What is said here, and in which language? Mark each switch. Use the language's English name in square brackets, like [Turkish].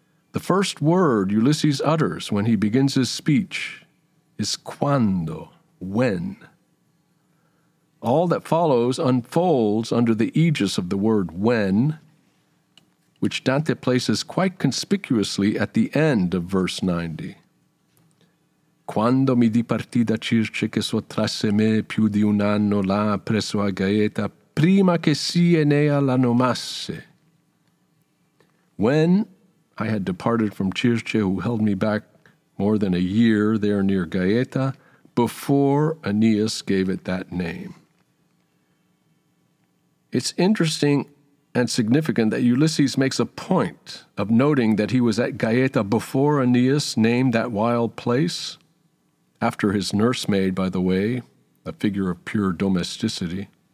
[English] The first word Ulysses utters when he begins his speech is quando, when. All that follows unfolds under the aegis of the word when, which Dante places quite conspicuously at the end of verse 90. [Italian] Quando mi dipartì da Circe che sottrasse me più di un anno là presso a Gaeta, prima che si Enea la nomasse. [English] When I had departed from Circe, who held me back more than a year there near Gaeta, before Aeneas gave it that name. It's interesting and significant that Ulysses makes a point of noting that he was at Gaeta before Aeneas named that wild place, after his nursemaid, by the way, a figure of pure domesticity.